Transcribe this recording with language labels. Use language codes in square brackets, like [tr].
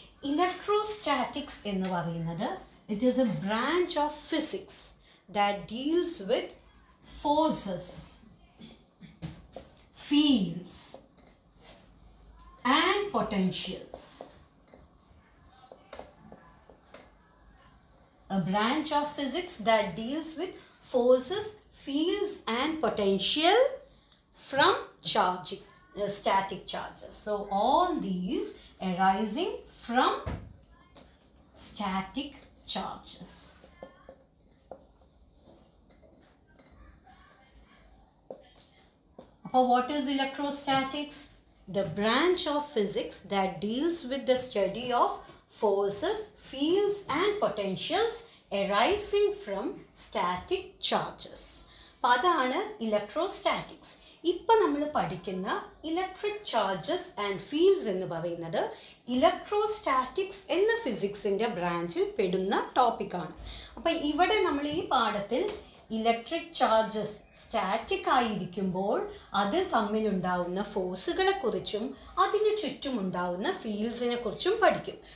[ml] Electrostatics എന്ന് പറയുന്നത് [en] It is a branch of physics that deals with forces, fields and potentials. A branch of physics that deals with forces, fields and potential from charge, static charges. So all these arising from static charges. Appa, what is electrostatics? The branch of physics that deals with the study of forces, fields and potentials arising from static charges. [ml] അതാണ് electrostatics. ഇപ്പം നമ്മൾ പഠിക്കുന്ന electric charges and fields എന്ന് പറയുന്നത് electrostatics എന്ന ഫിസിക്സിൻ്റെ ബ്രാഞ്ചിൽ പെടുന്ന ടോപ്പിക്കാണ്. അപ്പോൾ ഇവിടെ നമ്മൾ ഈ പാഠത്തിൽ ഇലക്ട്രിക് ചാർജസ് സ്റ്റാറ്റിക് ആയിരിക്കുമ്പോൾ അതിൽ തമ്മിലുണ്ടാവുന്ന ഫോഴ്സുകളെക്കുറിച്ചും അതിന് ചുറ്റുമുണ്ടാവുന്ന ഫീൽഡ്സിനെ കുറിച്ചും പഠിക്കും.